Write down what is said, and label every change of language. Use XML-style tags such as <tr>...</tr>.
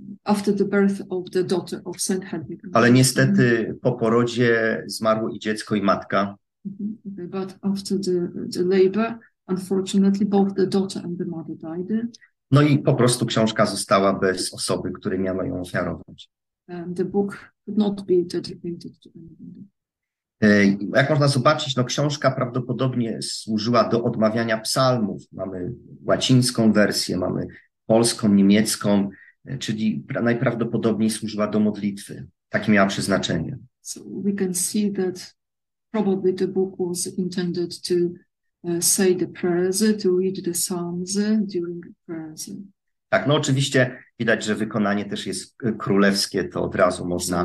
<en>after the birth of the daughter of Saint Hedwig.</en> <pl>Ale niestety po porodzie zmarło i dziecko, i matka.</pl> <en>Okay, but after the labor, unfortunately, both the daughter and the mother died.</en> <pl>No i po prostu książka została bez osoby, której miała ją ofiarować.</pl> <en>The book could not be dedicated to anybody.</en> <pl>Jak można zobaczyć, no książka prawdopodobnie służyła do odmawiania psalmów. Mamy łacińską wersję, mamy polską, niemiecką, czyli najprawdopodobniej służyła do modlitwy. Takie miała przeznaczenie.</pl> <en>So we can see that probably the book was intended to say the prayers, to read the psalms during prayers.</en> <pl>Tak, no oczywiście widać, że wykonanie też jest królewskie, to od razu można...</pl>